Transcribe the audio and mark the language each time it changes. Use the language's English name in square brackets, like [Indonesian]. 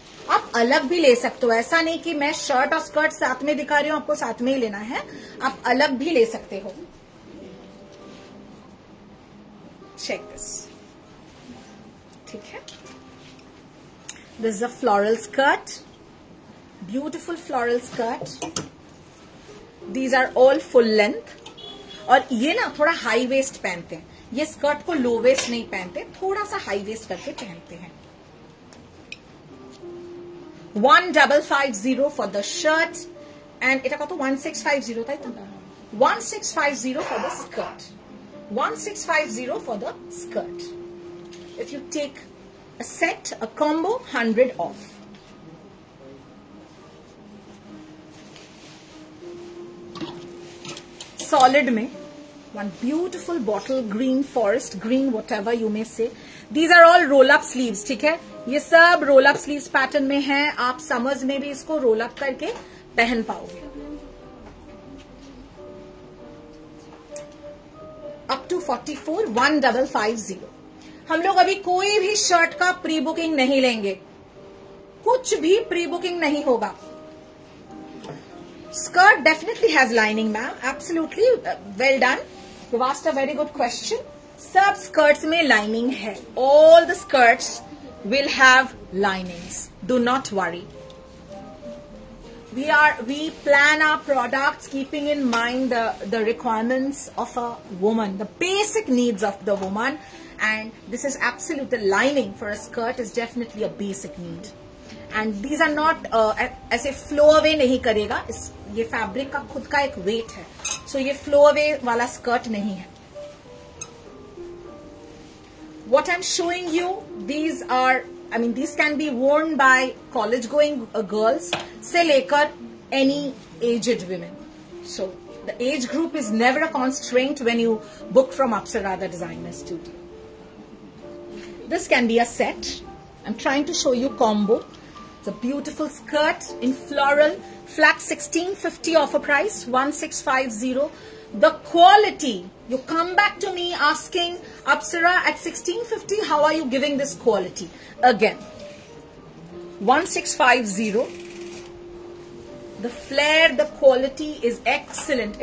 [Hindi] आप अलग भी ले सकते हो, ऐसा नहीं कि मैं शर्ट और स्कर्ट साथ में दिखा रही हूं, आपको साथ में ही लेना है. आप अलग भी ले सकते हो. [English] Check this, ठीक है. This is a floral skirt, beautiful floral skirt. These are all full length. [Hindi] और ये ना थोड़ा हाई वेस्ट पहनते हैं, ये स्कर्ट को लो वेस्ट नहीं पहनते, थोड़ा सा हाई वेस्ट करके पहनते हैं. [English] 1550 for the shirt and [Bangla] इटा कत [English] 1650 था 1650 for the skirt 1650 for the skirt. If you take a set a combo 100 off. Solid में one beautiful bottle green forest green whatever you may say. These are all roll up sleeve, [Hindi] ठीक है. ये सब roll up sleeve pattern में है, आप summers में भी इसको रोल अप करके पहन पाओगे. Up to 44 1550. हम लोग अभी कोई भी शर्ट का प्री बुकिंग नहीं लेंगे, कुछ भी प्री बुकिंग नहीं होगा. [English] Skirt definitely has lining, ma'am. Absolutely, well done. You've asked a very good question. [Hindi] Sab skirts mein lining hai. [English] All the skirts will have linings. Do not worry. We plan our products keeping in mind the requirements of a woman, the basic needs of the woman, and this is absolute. The lining for a skirt is definitely a basic need. And these are not [Hindi] ऐसे flow away नहीं करेगा, ये fabric का खुद का एक wait है. सो ये फ्लो अवे वाला स्कर्ट नहीं है. [English] What I am showing you these are I mean these can be worn by college going girls से लेकर any aged women. So the age group is never a constraint when you book from Apsara the designer studio. This can be a set. I am trying to show you combo. It's a beautiful skirt in floral, flat 1650 offer price, 1650. The quality, you come back to me asking, Apsara, at 1650, how are you giving this quality? Again, 1650. The flare, the quality is excellent.